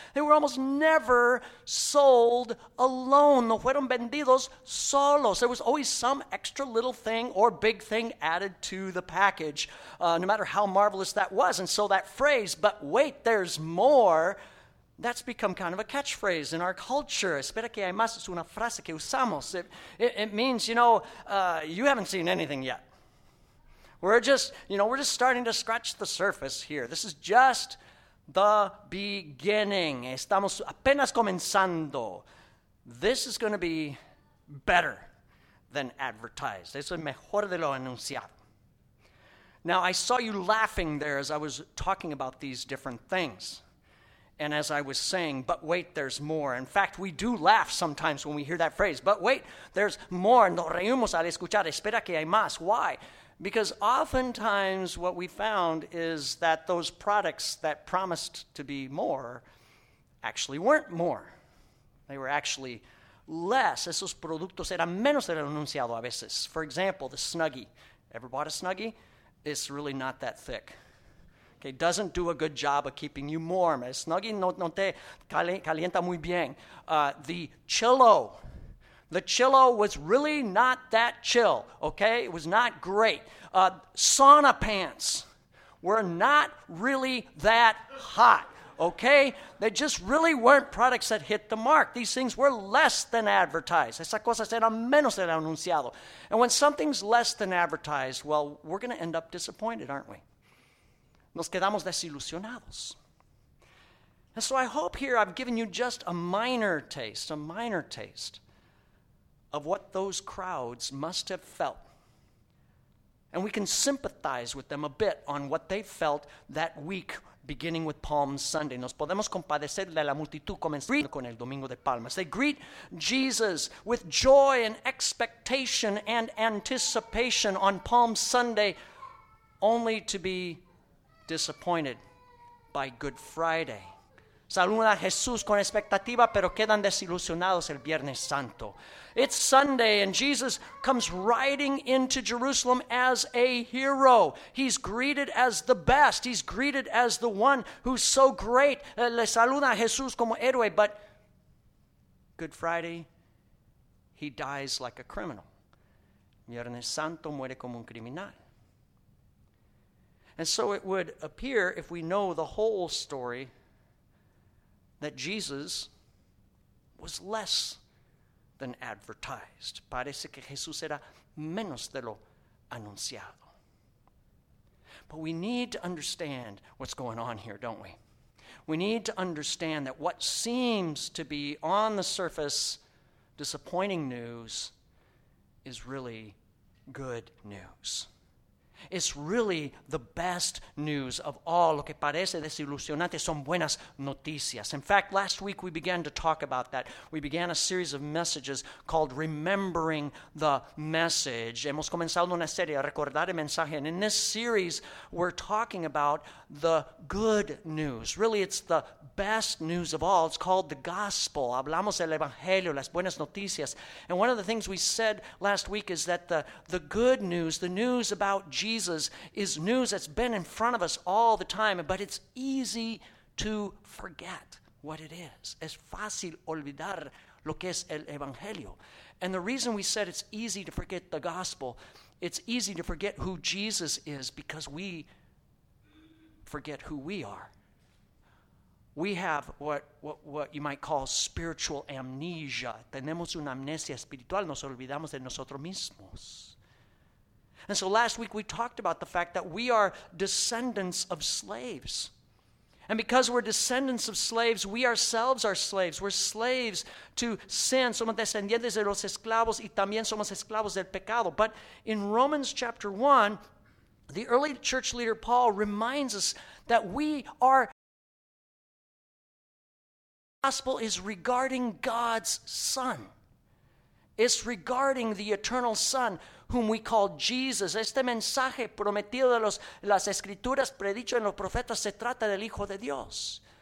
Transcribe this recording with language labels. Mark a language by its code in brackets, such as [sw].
[en] They were almost never sold alone. [es] No fueron vendidos solos. [en] There was always some extra little thing or big thing added to the package, no matter how marvelous that was. And so that phrase, "but wait, there's more," that's become kind of a catchphrase in our culture. [es] Espera que hay más es una frase que usamos. [en] It means, you know, you haven't seen anything yet. We're just starting to scratch the surface here. This is just the beginning. [es] Estamos apenas comenzando. [en] This is going to be better than advertised. [es] Eso es mejor de lo anunciado. [en] Now, I saw you laughing there as I was talking about these different things. And as I was saying, but wait, there's more. In fact, we do laugh sometimes when we hear that phrase, but wait, there's more. [es] Nos reímos al escuchar, espera que hay más. [en] Why? Because oftentimes what we found is that those products that promised to be more actually weren't more. They were actually less. [es] Esos productos eran menos de lo anunciado a veces. [en] For example, the Snuggie. Ever bought a Snuggie? It's really not that thick. Okay, doesn't do a good job of keeping you warm. [es] El Snuggie no te calienta muy bien. [en] The Chillo was really not that chill, okay? It was not great. Sauna pants were not really that hot, okay? They just really weren't products that hit the mark. These things were less than advertised. [es] Esas cosas eran menos de lo anunciado. [en] And when something's less than advertised, well, we're going to end up disappointed, aren't we? [es] Nos quedamos desilusionados. [en] And so I hope here I've given you just a minor taste of what those crowds must have felt. And we can sympathize with them a bit on what they felt that week beginning with Palm Sunday. [es] Nos podemos compadecer de la multitud comenzando con el Domingo de Palmas. [en] They greet Jesus with joy and expectation and anticipation on Palm Sunday only to be disappointed by Good Friday. [es] Saludan a Jesús con expectativa, pero quedan desilusionados el Viernes Santo. [en] It's Sunday, and Jesus comes riding into Jerusalem as a hero. He's greeted as the best. He's greeted as the one who's so great. [es] Le saluda a Jesús como héroe, [en] but Good Friday, he dies like a criminal. [es] Viernes Santo muere como un criminal. [en] And so it would appear, if we know the whole story, that Jesus was less than advertised. [es] Parece que Jesús era menos de lo anunciado. [en] But we need to understand what's going on here, don't we? We need to understand that what seems to be on the surface disappointing news is really good news. It's really the best news of all. [es] Lo que parece desilusionante son buenas noticias. [en] In fact, last week we began to talk about that. We began a series of messages called Remembering the Message. [es] Hemos comenzado una serie, a recordar el mensaje. [en] And in this series, we're talking about the good news. Really, it's the best news of all. It's called the gospel. [es] Hablamos del evangelio, las buenas noticias. [en] And one of the things we said last week is that the good news, the news about Jesus, is news that's been in front of us all the time, but it's easy to forget what it is. [es] Es fácil olvidar lo que es el evangelio. [en] And the reason we said it's easy to forget the gospel, it's easy to forget who Jesus is because we forget who we are. We have what you might call spiritual amnesia. [es] Tenemos una amnesia espiritual. Nos olvidamos de nosotros mismos. [en] And so last week we talked about the fact that we are descendants of slaves. And because we're descendants of slaves, we ourselves are slaves. We're slaves to sin. [es] Somos descendientes de los esclavos y también somos esclavos del pecado. [en] But in Romans chapter 1, the early church leader Paul reminds us that we are. Gospel is regarding God's Son. It's regarding the eternal Son, whom we call Jesus. [es] Este mensaje prometido de las Escrituras, predicho en los profetas, se trata del Hijo de Dios.